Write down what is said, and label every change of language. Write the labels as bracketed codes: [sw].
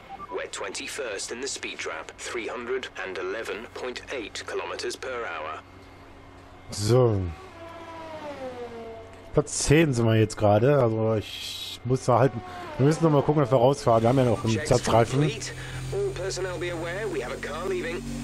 [en] We're 21st in the speed trap, 311.8 kilometers per hour. So. [de] Platz 10 sind wir jetzt gerade, also ich muss da halten. Wir müssen noch mal gucken, ob wir rausfahren. Wir haben ja noch einen Zerstreifen. [en] All personnel be aware, we have a car leaving.